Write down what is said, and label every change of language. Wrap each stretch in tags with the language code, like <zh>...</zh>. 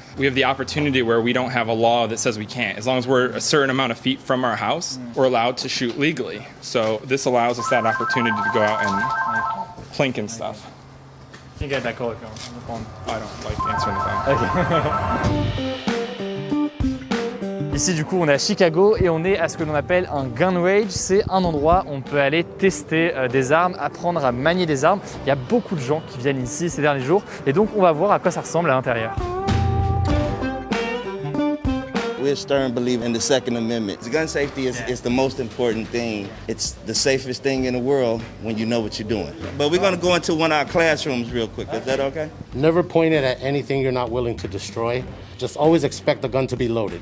<en>We have the opportunity where we don't have a law that says we can't. As long as we're a certain amount of feet from our house, we're allowed to shoot legally. So this allows us that opportunity to go out and plink and stuff. You can get that color going on the phone. I don't like answering the phone. Okay.</en> <fr>Ici, du coup, on est à Chicago et on est à ce que l'on appelle un gun range. C'est un endroit où on peut aller tester des armes, apprendre à manier des armes. Il y a beaucoup de gens qui viennent ici ces derniers jours et donc on va voir à quoi ça ressemble à l'intérieur.</fr> <en>We're a stern believer in the Second Amendment. Gun safety is the most important thing. It's the safest thing in the world when you know what you're doing. But we're going to go into one of our classrooms real quick. Is that okay? Never point it at anything you're not willing to destroy. Just always expect the gun to be loaded.</en>